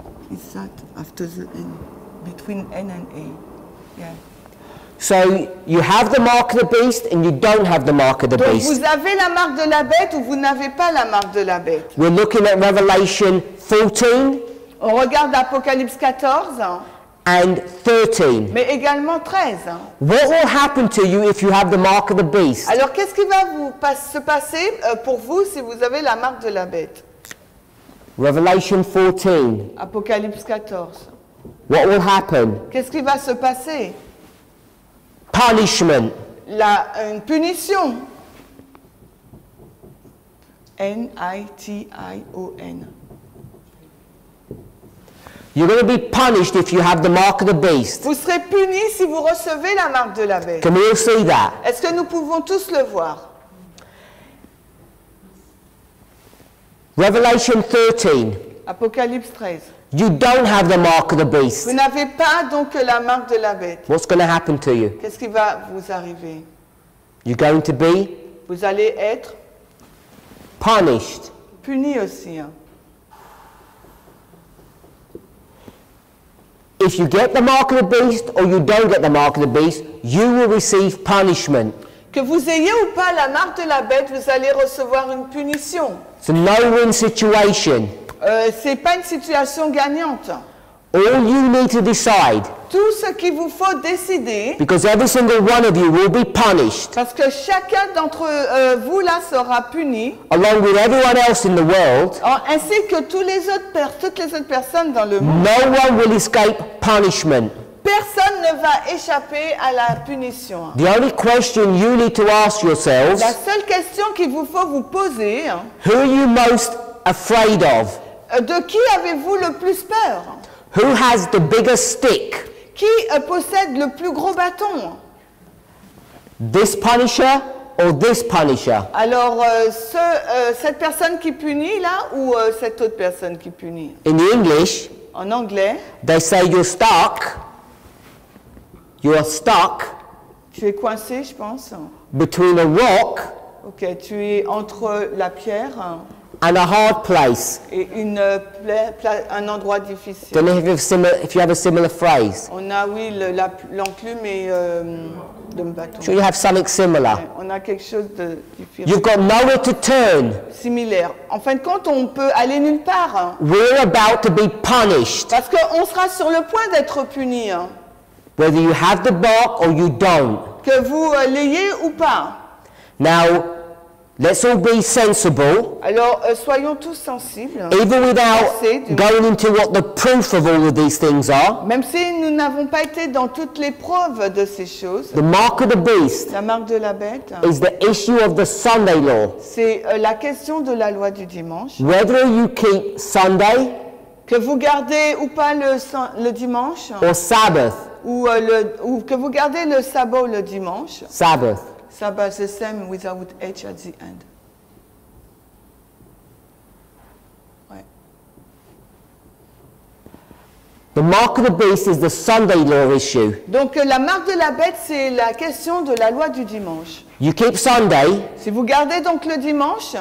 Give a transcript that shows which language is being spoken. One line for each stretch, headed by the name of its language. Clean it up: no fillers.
English: Is that after the N, between N and A? Yeah. So you have the mark of the beast and you don't have the mark of the
French: donc
English: beast.
French: Vous avez la marque de la bête ou vous n'avez pas la marque de la bête.
English: We're looking at Revelation 14.
French: On regarde Apocalypse 14.
English: And 13.
French: Mais également 13.
English: What will happen to you if you have the mark of the beast?
French: Alors qu'est-ce qui va se passer pour vous si vous avez la marque de la bête?
English: Revelation 14.
French: Apocalypse 14.
English: What will happen?
French: Qu'est-ce qui va se passer?
English: Punishment.
French: Une punition.
English: N-I-T-I-O-N. You're going to be punished if you have the mark of the beast.
French: Vous serez puni si vous recevez la marque de la bête.
English: Can we all see that?
French: Est-ce que nous pouvons tous le voir?
English: Revelation 13.
French: Apocalypse 13.
English: You don't have the mark of the beast.
French: Vous n'avez pas donc la marque de la bête.
English: What's going to happen to you?
French: Qu'est-ce qui va vous arriver?
English: You're going to be.
French: Vous allez être.
English: Punished.
French: Puni aussi. Hein.
English: If you get the mark of the beast or you don't get the mark of the beast, you will receive punishment.
French: Que vous ayez ou pas la marque de la bête, vous allez recevoir une punition.
English: It's a no-win situation.
French: C'est pas une situation gagnante.
English: All you need to decide.
French: Tout ce qu'il vous faut décider.
English: Because every single one of you will be punished.
French: Parce que chacun d'entre vous là sera puni.
English: Along with everyone else in the world.
French: Ainsi que toutes les autres personnes dans le monde.
English: No one will escape punishment.
French: Personne ne va échapper à la punition.
English: The only question you need to ask yourselves.
French: La seule question qu'il vous faut vous poser.
English: Who are you most afraid of?
French: De qui avez-vous le plus peur?
English: Who has the biggest stick?
French: Qui possède le plus gros bâton?
English: This punisher or this punisher?
French: Alors, cette personne qui punit là ou cette autre personne qui punit?
English: In English.
French: En anglais.
English: They say you're stuck. You are stuck.
French: Tu es coincé, je pense.
English: Between a rock.
French: Ok, tu es entre la pierre.
English: And a hard place.
French: Et un endroit difficile.
English: Don't know if you have a similar phrase.
French: On a oui l'enclume et le bâton.
English: Sure, you have something similar.
French: On a quelque chose de différent.
English: You've got nowhere to turn.
French: Similaire. En fin de compte, on peut aller nulle part.
English: We're about to be punished.
French: Parce qu'on sera sur le point d'être puni. Hein.
English: Whether you have the bark or you don't.
French: Que vous l'ayez ou pas.
English: Now, let's all be sensible.
French: Alors, soyons tous sensibles.
English: Even without going into what the proof of all of these things are.
French: Même si nous n'avons pas été dans toutes les preuves de ces choses.
English: The mark of the beast.
French: La marque de la bête.
English: Is the issue of the Sunday law.
French: C'est la question de la loi du dimanche.
English: Whether you keep Sunday.
French: Que vous gardez ou pas le dimanche.
English: Or Sabbath.
French: Ou que vous gardez le sabbat ou le dimanche.
English: Sabbath. Sabbath, the same without H at the end.
French: Ouais.
English: The mark of the beast is the Sunday law issue.
French: Donc la marque de la bête, c'est la question de la loi du dimanche.
English: You keep Sunday.
French: Si vous gardez donc le dimanche.